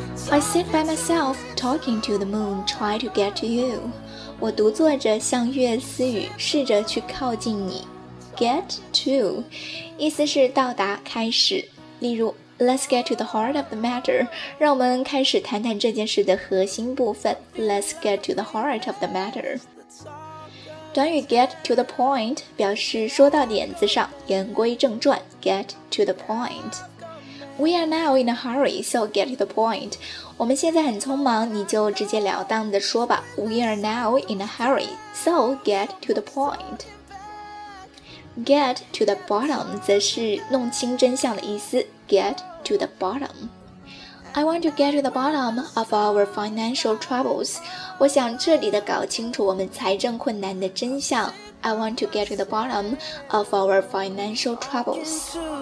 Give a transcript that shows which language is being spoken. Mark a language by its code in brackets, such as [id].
[en] I sit by myself, talking to the moon, try to get to you. [zh] 我独坐着向月私语，试着去靠近你。 Get to, 意思是到达，开始。例如 [en] ,Let's get to the heart of the matter. [zh] 让我们开始谈谈这件事的核心部分。 [en] Let's get to the heart of the matter. [zh] 短语 get to the point 表示说到点子上，言归正传。 [en] Get to the point. We are now in a hurry, so get to the point. [zh] 我们现在很匆忙，你就直接了当地说吧。 [en] We are now in a hurry, so get to the point. [zh] Get to the bottom 则是弄清真相的意思。 [en] Get to the bottom. I want to get to the bottom of our financial troubles. [zh] 我想彻底地搞清楚我们财政困难的真相。 [en] I want to get to the bottom of our financial troubles.